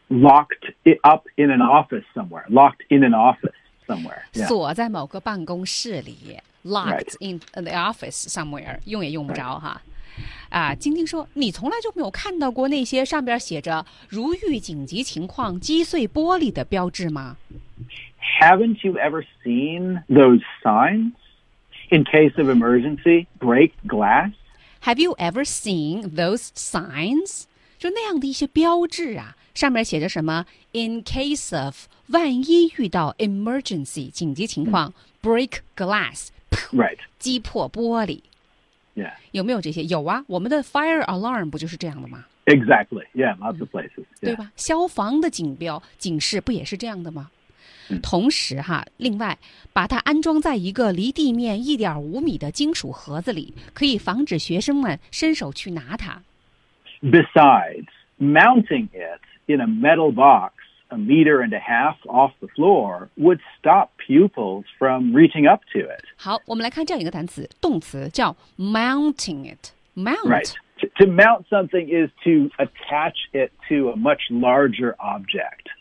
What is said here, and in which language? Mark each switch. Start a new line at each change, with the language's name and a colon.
English: locked it up in an office somewhere, locked in an office somewhere,、yeah.
Chinese: 锁在某个办公室里 locked、
English: right. in the office somewhere,
Chinese: 用也用不着哈。晶晶说你从来就没有看到过那些上边写着如遇紧急情况击碎玻璃的标志吗
English: Haven't you ever seen those signs in case of emergency break glass? Have you ever seen those signs?
Chinese: 就那样的一些标志啊上面写着什么
English: in case of
Chinese: 万一遇到
English: emergency
Chinese: 紧急情况
English: break glass、 right.
Chinese: 击破玻璃
English: Yeah.
Chinese: 有没有这些有啊我们的 fire alarm 不就是这样的吗
English: Exactly, yeah, lots of places.、Yeah.
Chinese: 对吧消防的警标警示不也是这样的吗、同时哈另外把它安装在一个离地面1.5米的金属盒子里可以防止学生们伸手去拿它。
English: Besides, mounting it in a metal box 1.5 meters off the floor would stop pupils from reaching up to it.
Chinese: 好我们来看这样一个单词动词叫 mounting it. Mount.
English: Right. To mount something is to attach it to a much larger object.